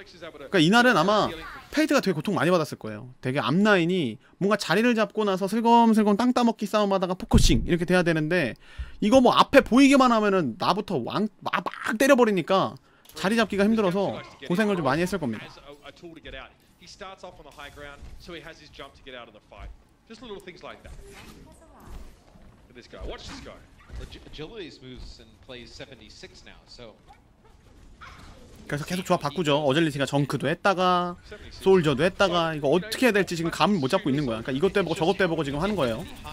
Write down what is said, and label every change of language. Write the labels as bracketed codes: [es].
[ko] 그러니까 이날은 아마 페이트가 되게 고통 많이 받았을 거예요. 되게 앞라인이 뭔가 자리를 잡고 나서 슬금슬금 땅 따먹기 싸움하다가 포커싱 이렇게 돼야 되는데 이거 뭐 앞에 보이기만 하면은 나부터 막 때려버리니까 자리 잡기가 힘들어서 고생을 좀 많이 했을 겁니다. [en] Starts off on the high ground, so he has his jump to get out of the fight. Just little things like that. Look at this guy. Watch this guy. Agility moves and plays 76 now, so [ko] 그래서 계속 조합 바꾸죠. 어젤리티가 정크도 했다가 솔저도 했다가 이거 어떻게 해야 될지 지금 감을 못 잡고 있는 거야. 그러니까 이것도 해보고 저것도 해보고 지금 하는 거예요.